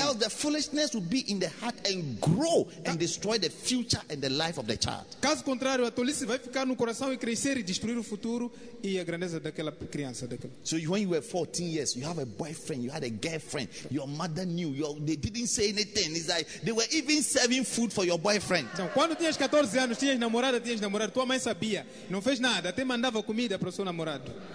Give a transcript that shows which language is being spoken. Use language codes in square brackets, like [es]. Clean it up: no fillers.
[en] Else the foolishness will be in the heart and grow and destroy the future and the life of the child. [pt] Caso contrário, a tolice vai ficar no coração e crescer e destruir o futuro e a grandeza daquela criança. [en] So when you were 14 years, you have a boyfriend, you had a girlfriend, your mother knew, they didn't say anything. It's like they were even serving food for your boyfriend. [pt] Então, quando tinhas 14 anos, tinhas namorado, tua mãe sabia, não fez nada, até mandava comida para o seu namorado.